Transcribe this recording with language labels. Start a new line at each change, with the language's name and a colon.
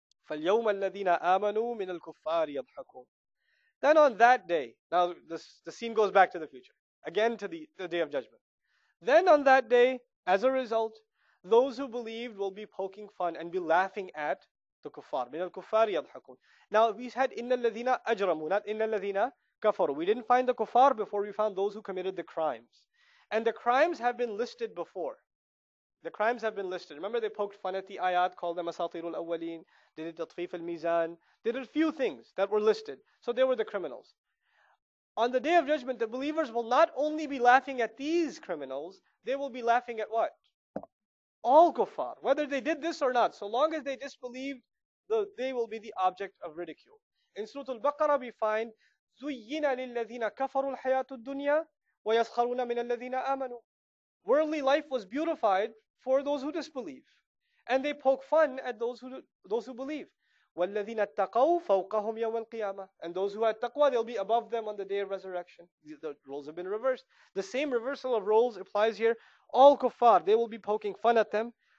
Arabic: فَالْيَوْمَ الَّذِينَ آمَنُوا مِنَ الْكُفَّارِ يَضْحَكُونَ.
English: Then on that day, now the scene goes back to the future, again to the Day of Judgment. Then on that day, as a result, those who believed will be poking fun and be laughing at the kuffar.
Arabic: مِنَ الْكُفَّارِ يَضْحَكُونَ.
English: Now we had
Arabic: إِنَّ الَّذِينَ أَجْرَمُوا,
English: not
Arabic: إِنَّ الَّذِينَ كَفَرُوا.
English: We didn't find the kuffar before, we found those who committed the crimes. And the crimes have been listed before. The crimes have been listed. Remember, they poked fun at the ayat, called them asatirul awwaleen, they did tatfif al-mizan, they did a few things that were listed. So they were the criminals. On the Day of Judgment, the believers will not only be laughing at these criminals, they will be laughing at what? All kuffar, whether they did this or not. So long as they disbelieved, they will be the object of ridicule. In Surah Al-Baqarah, we find,
Arabic: زُيِّنَ لِلَّذِينَ كَفَرُوا الْحَيَاةُ الدُّنْيَا وَيَسْخَرُونَ مِنَ الَّذِينَ آمَنُوا.
English: Worldly life was beautified for those who disbelieve. And they poke fun at those who believe.
Arabic: وَالَّذِينَ اتَّقَوْا فَوْقَهُمْ يَوْمَ الْقِيَامَةِ.
English: And those who had taqwa, they'll be above them on the Day of Resurrection. The roles have been reversed. The same reversal of roles applies here. All kuffar, they will be poking fun at them.